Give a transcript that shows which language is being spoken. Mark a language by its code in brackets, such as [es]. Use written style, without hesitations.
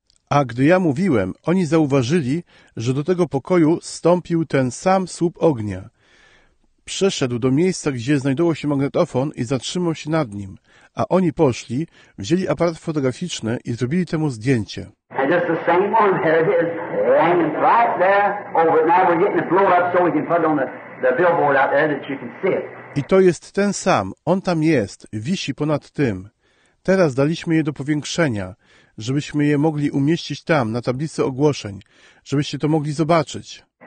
[pl] A gdy ja mówiłem, oni zauważyli, że do tego pokoju stąpił ten sam słup ognia. Przeszedł do miejsca, gdzie znajdował się magnetofon i zatrzymał się nad nim. A oni poszli, wzięli aparat fotograficzny i zrobili temu zdjęcie. [en] And just the same one, there it is, hanging right there. Oh, but now we're getting it blown up so we can put it on the billboard out there that you can see it. [pl] I to jest ten sam, on tam jest, wisi ponad tym. Teraz daliśmy je do powiększenia, żebyśmy je mogli umieścić tam, na tablicy ogłoszeń, żebyście to mogli zobaczyć.